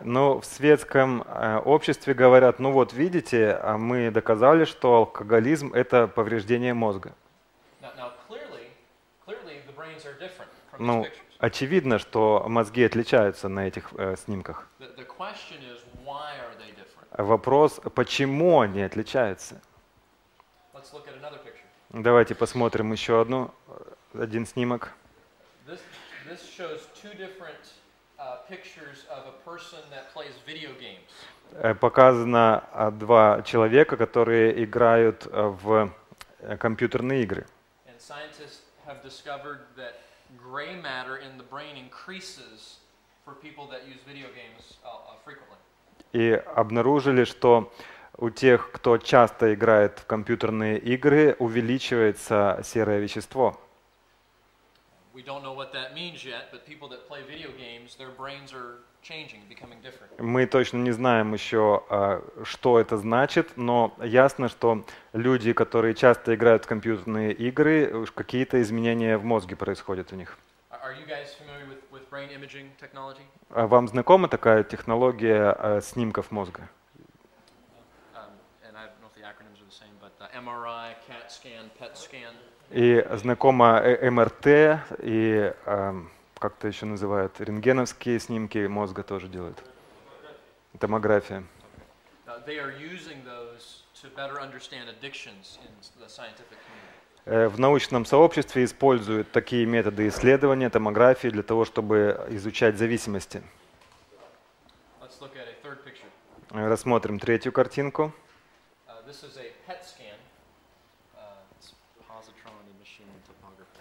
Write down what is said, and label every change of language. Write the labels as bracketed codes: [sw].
[ru] Ну, в светском обществе говорят, ну вот видите, мы доказали, что алкоголизм — это повреждение мозга. [en] Now, clearly the brains are different from these ну, pictures. [ru] Очевидно, что мозги отличаются на этих снимках. [en] The question is, why are they different? [ru] Вопрос, почему они отличаются? [en] Let's look at another picture. [ru] Давайте посмотрим еще один снимок. [en] This shows two different pictures of a person that plays video games. [ru] Показано два человека, которые играют в компьютерные игры. [en] And scientists have discovered that gray matter in the brain increases for people that use video games frequently. [ru] И обнаружили, что у тех, кто часто играет в компьютерные игры, увеличивается серое вещество. [en] We don't know what that means yet, but people that play video games, their brains are changing, becoming different. [ru] Мы точно не знаем еще, что это значит, но ясно, что люди, которые часто играют в компьютерные игры, какие-то изменения в мозге происходят у них. [en] Are you guys familiar with brain imaging technology? [ru] Вам знакома такая технология снимков мозга? [en] And I don't know if the acronyms are the same, but the MRI, CAT scan, PET scan. [ru] И знакома МРТ и как-то еще называют рентгеновские снимки мозга тоже делают. Томография. [en] They are using those to better understand addictions in the scientific community. [ru] В научном сообществе используют такие методы исследования томографии для того, чтобы изучать зависимости. [en] Let's look at a third picture. [ru] Рассмотрим третью картинку. [en] This is a PET scan.